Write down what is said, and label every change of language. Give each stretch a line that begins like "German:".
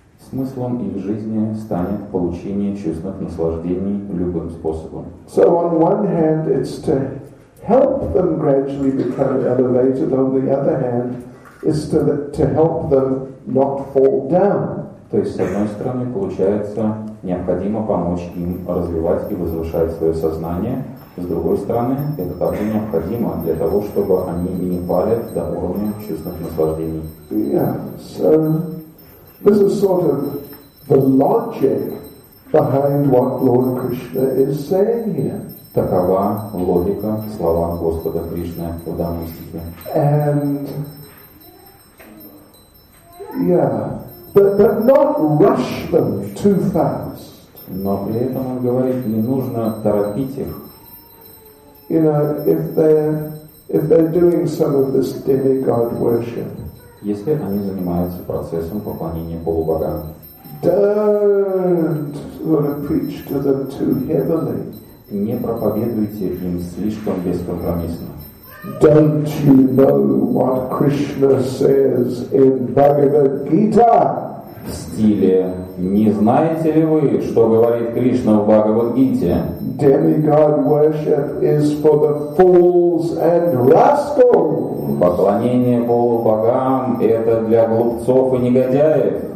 Russian: Смыслом их жизни станет получение чувственных наслаждений любым способом.
English: So on one hand, it's to help them gradually become elevated, on the other hand, is to help them not fall down.
Russian: То есть, с одной стороны, получается, необходимо помочь им развивать и возвышать свое сознание. С другой стороны, это также необходимо для того, чтобы они не пали до уровня чувственных наслаждений.
English: Yeah, so this is sort of the logic behind what Lord Krishna is saying here.
Russian: Такова логика слова Господа Кришны в данном стихе.
English: And yeah, but not rush them too fast.
Russian: Но при этом он говорит, не нужно торопить их.
English: You know, if they're doing some of this demigod worship.
Russian: Если они занимаются процессом поклонения полубогам.
English: Don't sort of preach to them too heavily.
Russian: Не проповедуйте им слишком бескомпромиссно.
English: Don't you know what Krishna says in Bhagavad Gita?
Russian: В стиле «Не знаете ли вы, что говорит Кришна в Бхагавад-гите?»
English: Demigod worship is for the fools and rascals.
Russian: Поклонение полубогам — это для глупцов и негодяев.